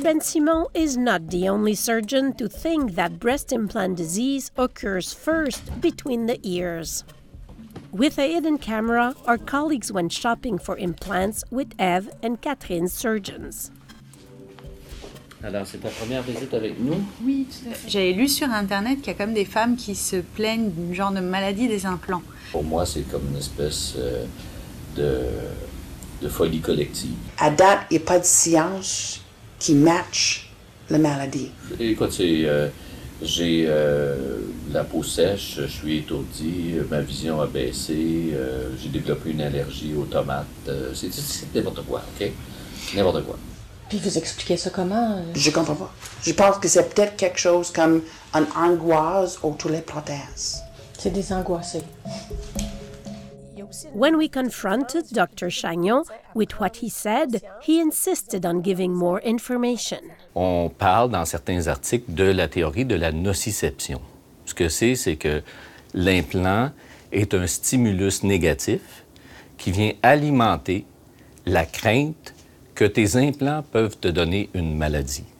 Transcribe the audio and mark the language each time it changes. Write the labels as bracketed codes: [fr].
[en] Ben-Simon is not the only surgeon to think that breast implant disease occurs first between the ears. With a hidden camera, our colleagues went shopping for implants with Eve and Catherine's surgeons. [fr] Alors, c'est ta première visite avec nous? Oui, tout à fait. J'avais lu sur Internet qu'il y a comme des femmes qui se plaignent d'une genre de maladie des implants. Pour moi, c'est comme une espèce de folie collective. À date, il n'y a pas de science qui match la maladie. Écoute, j'ai la peau sèche, je suis étourdi, ma vision a baissé, j'ai développé une allergie aux tomates. C'est n'importe quoi, OK? N'importe quoi. Puis vous expliquez ça comment? Je comprends pas. Je pense que c'est peut-être quelque chose comme une angoisse autour des prothèses. C'est des angoissés. [en] When we confronted Dr. Chagnon with what he said, he insisted on giving more information. [fr] On parle dans certains articles de la théorie de la nociception. Ce que c'est que l'implant est un stimulus négatif qui vient alimenter la crainte que tes implants peuvent te donner une maladie.